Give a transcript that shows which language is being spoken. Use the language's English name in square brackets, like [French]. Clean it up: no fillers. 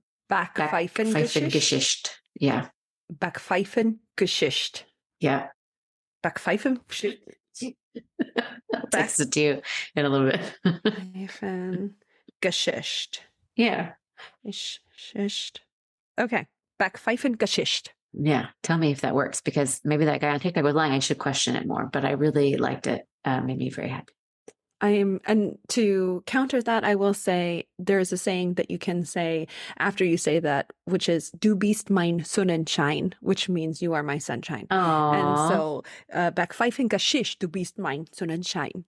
[German] Backpfeifengeschicht. [English] Yeah. [German] Backpfeifengeschicht. [English] Yeah. [German] Backpfeifengeschicht. [English] I'll text it to you in a little bit. [German] Backpfeifengeschicht. [English] Yeah. [German] Geschicht. Okay. Backpfeifengeschicht. [English] Yeah. Tell me if that works because maybe that guy on TikTok was lying. I should question it more, but I really liked it. Made me very happy. And to counter that, I will say there is a saying that you can say after you say that, which is "Du bist mein Sonnenschein," which means you are my sunshine. Aww. [German] And so backpfeifinger schisch, du bist mein Sonnenschein.